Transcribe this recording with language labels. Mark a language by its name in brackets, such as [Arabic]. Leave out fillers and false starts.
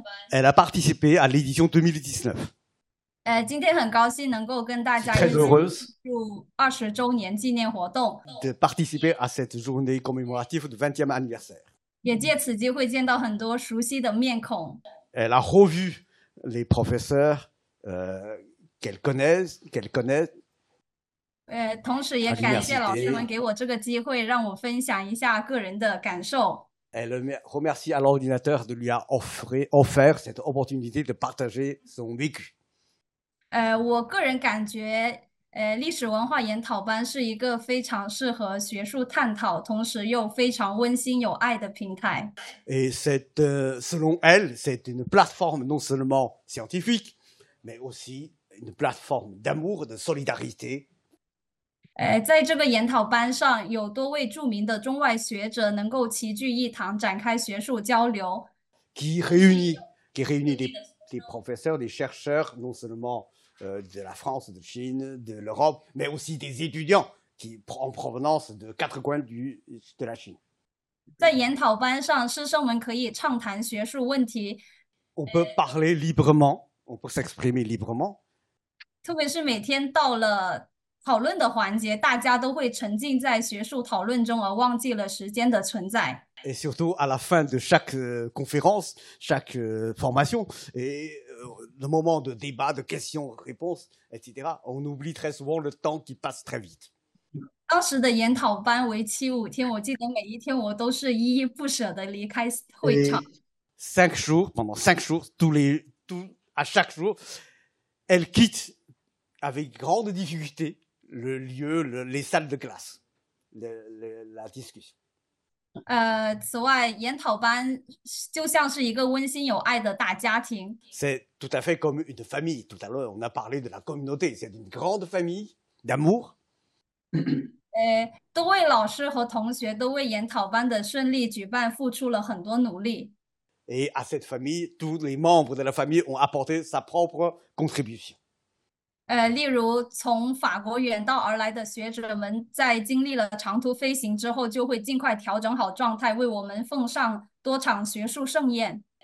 [French] Elle a participé à l'édition 2019. [Chinese] 今天很高兴能够跟大家一起祝二十周年纪念活动。 [French] De participer à cette journée commémorative du 20e anniversaire. [Chinese] 也借此机会见到很多熟悉的面孔。 [French] Elle a revu les professeurs qu'elle connaît. [Chinese] 同时也感谢老师们给我这个机会，让我分享一下个人的感受。 [French] Elle remercie à l'ordinateur de lui offert cette opportunité de partager son vécu. [Chinese] 我个人感觉历史文化研讨班是一个非常适合学术探讨同时又非常温馨有爱的平台。 [French] Et cette, selon elle, c'est une plateforme non seulement scientifique, mais aussi une plateforme d'amour, de solidarité. [Chinese] 在这个研讨班上有多位著名的中外学者能够齐聚一堂展开学术交流。 [French] Qui réunit des professeurs, des chercheurs, non seulement de la France, de Chine, de l'Europe, mais aussi des étudiants qui, en provenance de quatre coins de la Chine. [Chinese] 在研讨班上，师生们可以畅谈学术问题。 [French] On peut parler librement, on peut s'exprimer librement. [Chinese] 特别是每天到了讨论的环节，大家都会沉浸在学术讨论中而忘记了时间的存在。 [French] Et surtout à la fin de chaque conférence, chaque formation, et le moment de débat, de questions-réponses, etc., on oublie très souvent le temps qui passe très vite. [Chinese] 当时的研讨班为七五天，我记得每一天我都是依依不舍的离开会场。 [French] Et cinq jours, pendant cinq jours, à chaque jour, elle quitte avec grande difficulté le lieu, les salles de classe, la discussion. [Chinese] 此外研讨班就像是一个温馨有爱的大家庭。 [French] C'est tout à fait comme une famille. Tout à l'heure, on a parlé de la communauté. C'est une grande famille d'amour. [Chinese] 多位老师和同学都为研讨班的顺利举办付出了很多努力。 [French] et à cette famille, tous les membres de la famille ont apporté sa propre contribution. [Chinese] 例如，从法国远道而来的学者们，在经历了长途飞行之后，就会尽快调整好状态，为我们奉上多场学术盛宴。